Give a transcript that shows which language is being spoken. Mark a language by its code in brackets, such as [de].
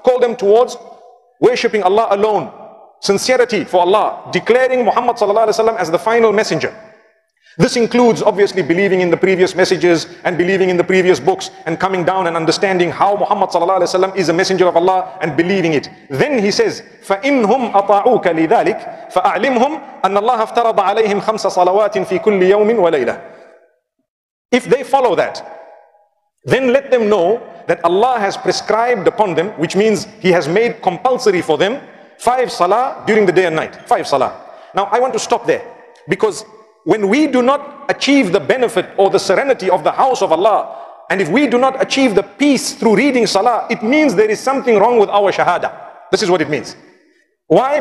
[en] Call them towards worshipping Allah alone, sincerity for Allah, declaring Muhammad sallallahu alaihi wasallam as the final messenger. This includes obviously believing in the previous messages and believing in the previous books and coming down and understanding how Muhammad sallallahu alaihi wasallam is a messenger of Allah and believing it. Then he says, [ar] فَإِنْهُمْ أَطَاعُوكَ لِذَلِكَ فَأَعْلِمْهُمْ أَنَّ اللَّهَ افْتَرَضَ عَلَيْهِمْ خَمْسَ صَلَوَاتٍ فِي كُلِّ يَوْمٍ وَلَيْلَةٍ. [en] If they follow that, then let them know that Allah has prescribed upon them, which means He has made compulsory for them, 5 salah during the day and night. 5 salah. Now I want to stop there, because when we do not achieve the benefit or the serenity of the house of Allah, and if we do not achieve the peace through reading salah, it means there is something wrong with our shahada. This is what it means. Why?